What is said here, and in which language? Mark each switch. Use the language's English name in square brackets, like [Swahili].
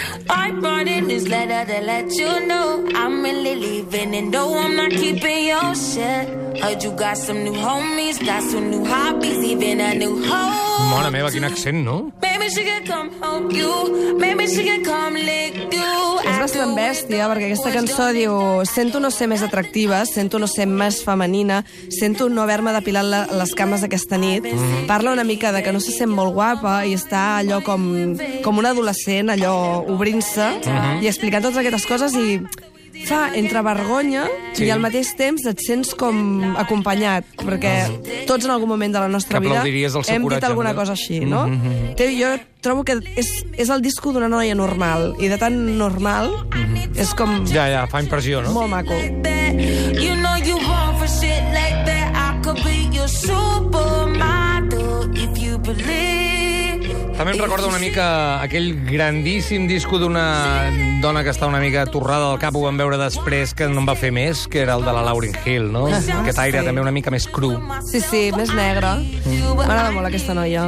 [English] I'm writing this letter to let you know I'm really leaving and no, I'm not keeping your shit. Heard you got some new homies, got some new hobbies, even a new home. [Catalan] Mona meva, quin accent, no? [English] Maybe she can come help you, maybe she can come lick you. [Catalan] És bastant bèstia, perquè aquesta cançó diu sento no ser més atractiva, sento no ser més femenina, sento no haver-me depilat les cames aquesta nit. Mm. Parla una mica de que no se sent molt guapa i està allò com un adolescent, allò obrint-se i explicant totes aquestes coses i fa entre vergonya i al mateix temps et sents com acompanyat, perquè tots en algun moment de la nostra vida hem dit alguna cosa així, no? Jo trobo que és el disco d'una noia normal, i de tan normal és com... Ja, fa impressió, no? Molt maco. [English] You know you want for shit like that, I could be your supermodel if you believe. [Catalan] També em recorda una mica aquell grandíssim disco d'una dona que està una mica torrada al cap, ho vam veure després, que no en va fer més, que era el de la Lauryn Hill, no? Aquest aire també una mica més cru. Sí, més negre. M'agrada molt aquesta noia.